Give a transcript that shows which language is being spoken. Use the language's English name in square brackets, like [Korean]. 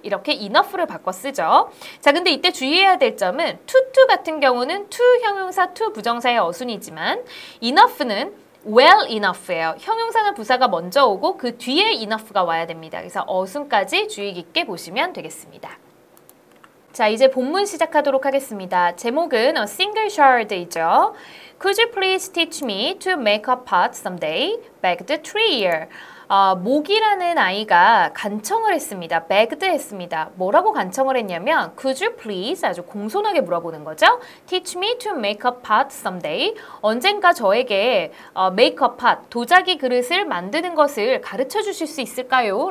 [Korean] 이렇게 enough를 바꿔 쓰죠. 자, 근데 이때 주의해야 될 점은 to 같은 경우는 to 형용사, to 부정사의 어순이지만 enough는 well enough예요. 형용사나 부사가 먼저 오고 그 뒤에 enough가 와야 됩니다. 그래서 어순까지 주의 깊게 보시면 되겠습니다. 자, 이제 본문 시작하도록 하겠습니다. 제목은 A Single Shard이죠. [English] Could you please teach me to make a pot someday? Begged the tree-ear. [Korean] 모기라는 아이가 간청을 했습니다. Begged 했습니다. 뭐라고 간청을 했냐면 [English] Could you please [Korean] 아주 공손하게 물어보는 거죠. [English] Teach me to make a pot someday. [Korean] 언젠가 저에게 [English] make a pot, [Korean] 도자기 그릇을 만드는 것을 가르쳐 주실 수 있을까요?